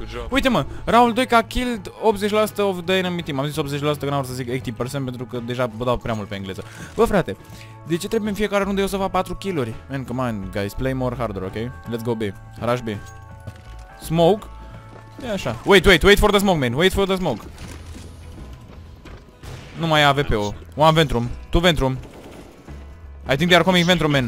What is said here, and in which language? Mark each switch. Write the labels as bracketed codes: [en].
[ro] Uite, mă, [en] Raul 2 a killed 80% of the enemy team. [ro] Am zis 80%, că n-am vrut să zic 80%, pentru că deja vă dau prea mult pe engleză. Bă, frate, de ce trebuie în fiecare rundă eu să fac 4 kill-uri? [en] Man, come on, guys, play more harder, ok? Let's go B, rush B. Smoke? [ro] E așa. [en] Wait for the smoke, man, wait for the smoke. [ro] Nu mai e AWP-ul. [en] One ventrum, two ventrum. I think they are coming ventrum, man.